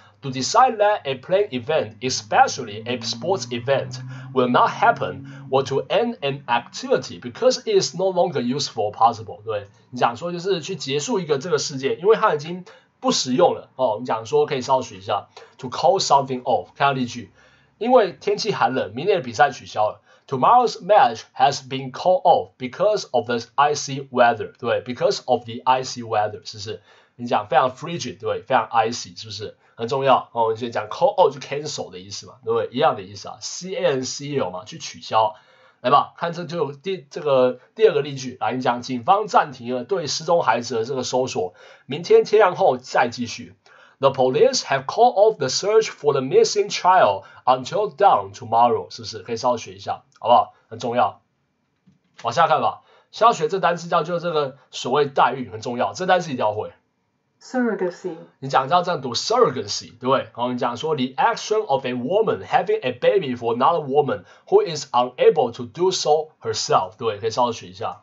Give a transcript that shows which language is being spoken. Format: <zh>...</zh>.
<en>To decide that a playing event, especially a sports event, will not happen, or to end an activity because it is no longer useful or possible.</en> <zh>对，你讲说就是去结束一个这个事件，因为它已经不实用了。哦，你讲说可以稍微学一下。</zh> <en>To call something off.</en> <zh>看下例句，因为天气寒冷，明天的比赛取消了。</zh> <en>Tomorrow's match has been called off because of the icy weather.</en> <zh>对 ，</zh> <en>because of the icy weather.</en> <zh>是不是？你讲非常 frigid， 对，非常 icy， 是不是？很重要哦，就讲 call out 就 cancel 的意思嘛，对不对？一样的意思啊 ，cancel 嘛，去取消。来吧，看这就第二个例句，来讲，警方暂停了对失踪孩子的这个搜索，明天天亮后再继续。</zh> <en>The police have called off the search for the missing child until dawn tomorrow，</en> <zh>是不是？可以稍微学一下，好不好？很重要。往下看吧，先要学这单词叫就这个所谓代孕，很重要，这单词一定要会。</zh> <en>Surrogacy，</en> <zh>你讲到这样读</zh> <en>surrogacy，</en> <zh>对不对？然后你讲说</zh> <en>the action of a woman having a baby for another woman who is unable to do so herself，</en> <zh>对不对？可以稍微学一下。</zh>